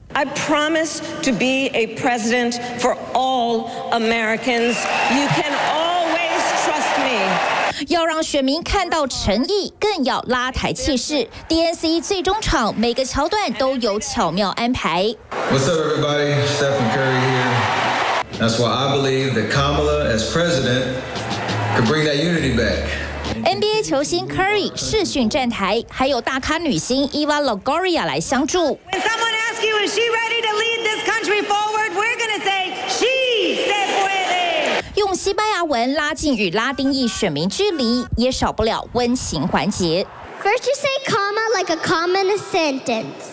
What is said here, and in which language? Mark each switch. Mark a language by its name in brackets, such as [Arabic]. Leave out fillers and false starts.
[English] I promise to be a president for all Americans. You can always trust me. [Chinese] 要让选民看到诚意，更要拉抬气势。 DNC 最终场每个桥段都有巧妙安排。 [English] What's up, everybody? Stephen Curry here. That's why I believe that Kamala as president. [Chinese] NBA 球星 Curry 视讯站台，还有大咖女星 Eva Longoria 来相助。 [English] When someone asks you, is she ready to lead this country forward? We're gonna say she said [Spanish] puede. [Chinese] 用西班牙文拉近与拉丁裔选民距离，也少不了温情环节。 [English] First you say comma like a common sentence.